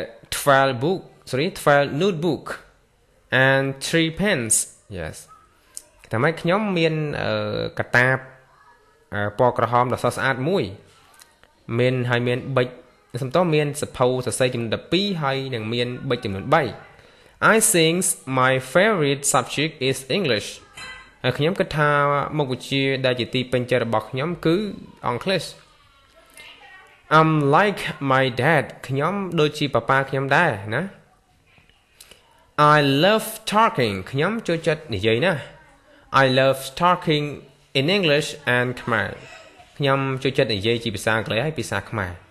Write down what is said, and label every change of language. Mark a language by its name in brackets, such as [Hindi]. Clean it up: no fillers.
[English] Twelve notebook and 3 pens. Yes. [Khmer] តែមកខ្ញុំមានកាតាបពណ៌ក្រហមដ៏ស្អាតមួយមានហើយមានប៊ិចសំតោះមានសភៅសរសៃចំនួន12ហើយនឹងមានប៊ិចចំនួន3. [English] I think my favorite subject is English. [Khmer] ហើយខ្ញុំគិតថាមុខវិជ្ជាដែលជាទីពេញចិត្តរបស់ខ្ញុំគឺអង់គ្លេស [English] I'm like my dad [Khmer] ខ្ញុំដូចជាប៉ាប៉ាខ្ញុំដែរណា [English] I love talking [Khmer] ខ្ញុំចូលចិត្តនិយាយណា [English] I love talking in English and Khmer [Khmer] ខ្ញុំចូលចិត្តនិយាយជាភាសាអង់គ្លេសហើយភាសាខ្មែរ